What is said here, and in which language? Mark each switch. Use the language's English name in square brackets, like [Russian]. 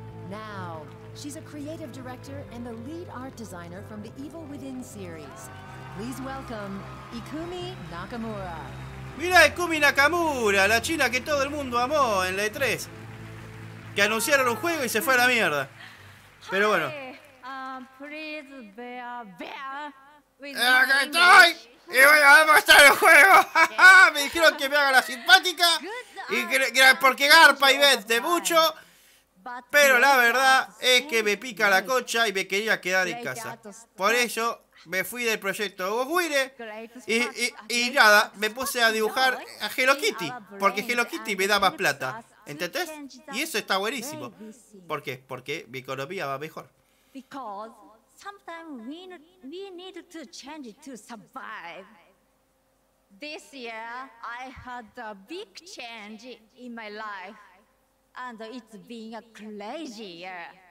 [English] Now, she's a creative director and the lead art designer from the Evil Within series. Please welcome Ikumi Nakamura. [Spanish] Mira, Ikumi Nakamura, la china que todo el mundo amó en la E3. Que anunciaron un juego y se fue a la mierda. Pero bueno. Aquí estoy y voy a mostrar el juego. Me dijeron que me haga la simpática. Y porque garpa y vende mucho. Pero la verdad es que me pica la cocha y me quería quedar en casa. Por eso me fui del proyecto Ghostwire y nada, me puse a dibujar a Hello Kitty, porque Hello Kitty me da más plata, ¿entendés? Y eso está buenísimo. ¿Por qué? Porque mi economía va mejor. [English] This year I had a big change in my life and it's been a crazy year.